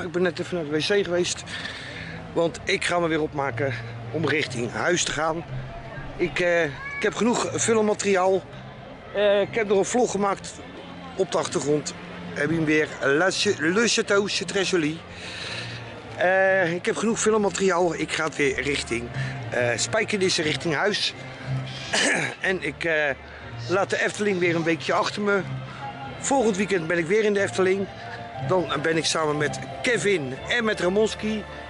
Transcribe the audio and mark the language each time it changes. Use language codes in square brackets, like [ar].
[nl] Ik ben net even naar de wc geweest. Want ik ga me weer opmaken om richting huis te gaan. Ik heb genoeg filmmateriaal. Ik heb nog een vlog gemaakt op de achtergrond. Heb je hem weer? [fr] Le Château, c'est très joli. [nl] Ik heb genoeg filmmateriaal. Ik ga het weer richting Spijkenisse, richting huis. En ik laat de Efteling weer een weekje achter me. Volgend weekend ben ik weer in de Efteling. Dan ben ik samen met Kevin en met Ramonski.